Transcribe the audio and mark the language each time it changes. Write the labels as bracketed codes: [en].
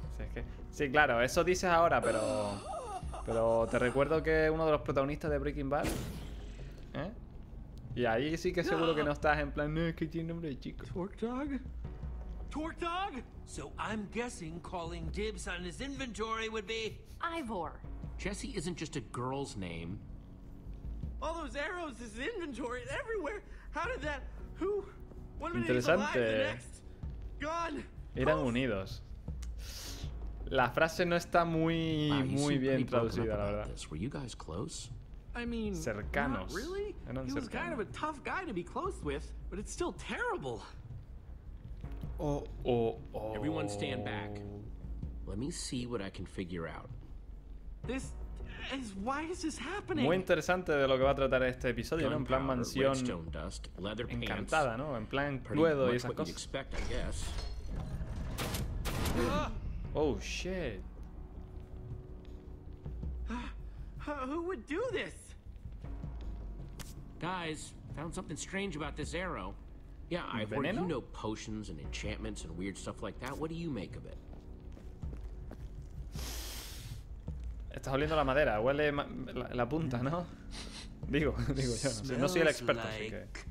[es] Si es que, sí, claro, eso dices ahora, pero. Pero te recuerdo que uno de los protagonistas de Breaking Bad. ¿Eh? Y ahí sí que seguro que no estás en plan. No, es que tiene nombre de chico. [en] Torque Dog. Torque Dog? So I'm guessing calling dibs on his inventory would be. Ivor. Jesse isn't just a girl's name. All those arrows, this inventory everywhere. How did that? Who? One minute he's alive, the next. Gone. [es] Eran unidos. La frase no está muy muy bien traducida, la verdad. [en] Were you guys close? I mean, [es] cercanos. [en] Not really? He was [es] cercanos. [en] Kind of a tough guy to be close with, but it's still terrible. Oh. Everyone stand back. Let me see what I can figure out. This. Why is this happening? [es] Muy interesante de lo que va a tratar este episodio, ¿no? En plan mansión encantada, ¿no? En plan Cluedo y esas cosas. [en] Oh shit. Who would do this? Guys, found something strange about this arrow. Yeah, Ivor, you know potions and enchantments and weird stuff like that. What do you make of it? [es] Estás oliendo la madera, huele la punta, ¿no? Digo yo, no soy el experto, así que.